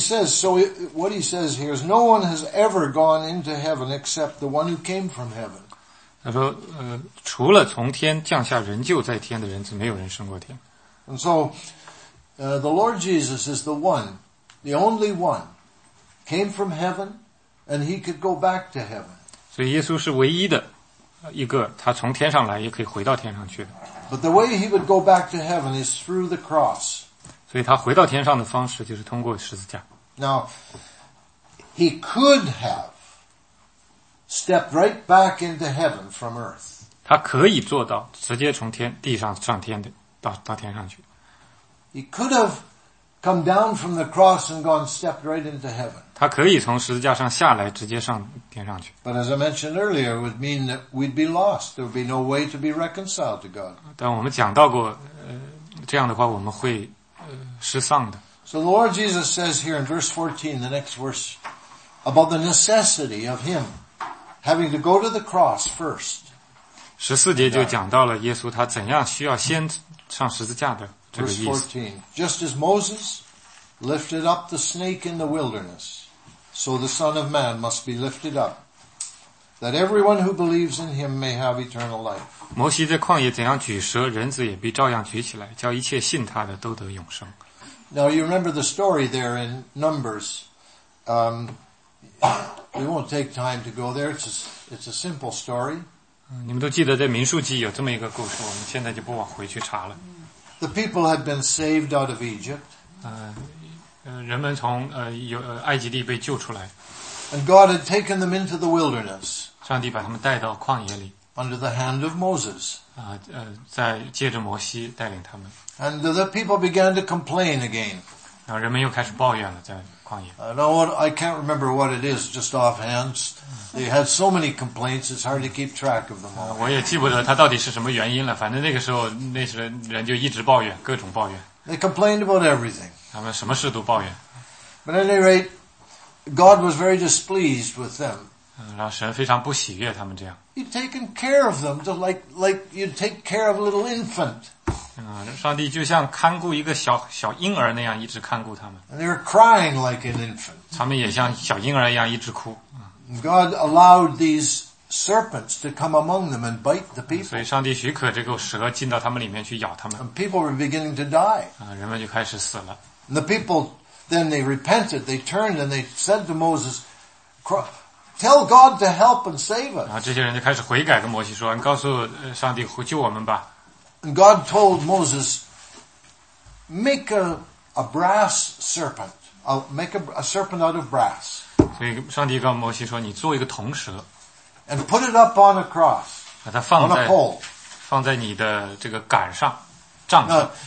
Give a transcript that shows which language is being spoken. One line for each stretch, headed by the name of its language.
English: So what he says here is, no one has ever gone into heaven except the one who came from heaven.
Chinese: 他说除了从天降下人就在天的人，怎没有人升过天。
English: And so, the Lord Jesus is the one, the only one, came from heaven, and he could go back to heaven.
Chinese: 所以耶稣是唯一的一个，他从天上来也可以回到天上去的。
English: But the way he would go back to heaven is through the cross.
Chinese: 所以他回到天上的方式就是通过十字架。
English: Now, he could have,stepped right back into heaven from earth.
Chinese: 他可以做到直接从天地上上天的到天上去。
English: He could have come down from the cross and gone stepped right into heaven.
Chinese: 他可以从十字架上下来直接上天上去。
English: But as I mentioned earlier, it would mean that we'd be lost. There would be no way to be reconciled to God.
Chinese: 但我们讲到过这样的话我们会失丧的。
English: So the Lord Jesus says here in verse 14, the next verse, about the necessity of him. Having to go to the cross first.
Chinese: 十四节就讲到了耶稣他怎样需要先上十字架的这个意思。
English: Verse 14, just as Moses lifted up the snake in the wilderness, so the Son of Man must be lifted up, that everyone who believes in him may have eternal life.
Chinese: 摩西在旷野怎样举蛇，人子也必照样举起来，叫一切信他的都得永生。
English: Now you remember the story there in Numbers. We won't take time to go there. It's a simple story.
Chinese: 你们都记得在民数记有这么一个故事，我们现在就不往回去查了。
English: The people had been saved out of Egypt.
Chinese: 人们从埃及地被救出来。
English: And God had taken them into the wilderness.
Chinese: 上帝把他们带到旷野里。
English: Under the hand of Moses.
Chinese: 在借着摩西带领他们。
English: And the people began to complain again.
Chinese: 然后人们又开始抱怨了，在旷野。
English: I can't remember what it is, just offhand. They had so many complaints, it's hard to keep track of them all.
Chinese: 我也记不得他到底是什么原因了，反正那个时候，那些人就一直抱怨，各种抱怨。
English: They complained about everything.
Chinese: 他们什么事都抱怨。
English: But at any rate, God was very displeased with them.
Chinese: 然后神非常不喜悦他们这样。
English: He'd taken care of them, just like you'd take care of a little infant.
Chinese: 上帝就像看顾一个小婴儿那样一直看顾他们。
English: And they were crying like an infant.
Chinese: 他们也像小婴儿一样一直哭。
English: God allowed these serpents to come among them and bite the people.
Chinese: 所以上帝许可这个蛇进到他们里面去咬他们。
English: And people were beginning to die.
Chinese: 人们就开始死了。
English: And the people, then they repented, they turned and they said to Moses, tell God to help and save us.
Chinese: 然后这些人就开始悔改跟摩西说，你告诉上帝救我们吧。
English: And God told Moses, make a brass serpent. Make a serpent out of brass.
Chinese: 所以上帝告诉摩西说，你做一个铜蛇。
English: And put it up on a cross.
Chinese: 把它放在
English: on a pole.
Chinese: 放在你的这个杆上，杖上。